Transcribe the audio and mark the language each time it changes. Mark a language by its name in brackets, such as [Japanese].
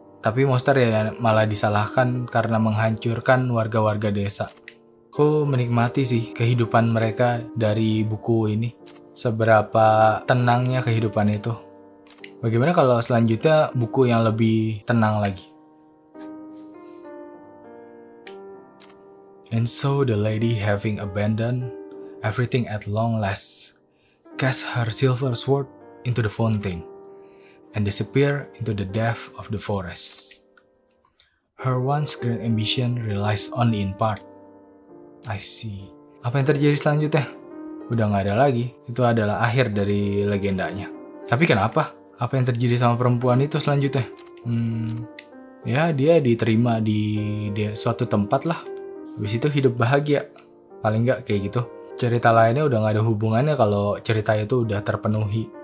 [Indonesian] Tapi monster ya malah disalahkan karena menghancurkan warga-warga desa. Aku menikmati sih kehidupan mereka dari buku ini. Seberapa tenangnya kehidupan itu. Bagaimana kalau selanjutnya buku yang lebih tenang lagi? [English] And so the lady, having abandoned everything at long last, cast her silver sword into the fountain and disappear into the depth of the forest. Her once great ambition realized only in part. I see. [Indonesian] Apa yang terjadi selanjutnya? Udah gak ada lagi. Itu adalah akhir dari legendanya. Tapi kenapa? Apa yang terjadi sama perempuan itu selanjutnya? Ya, dia diterima di suatu tempat lah. Habis itu hidup bahagia. Paling gak kayak gitu. Cerita lainnya udah gak ada hubungannya kalau cerita itu udah terpenuhi.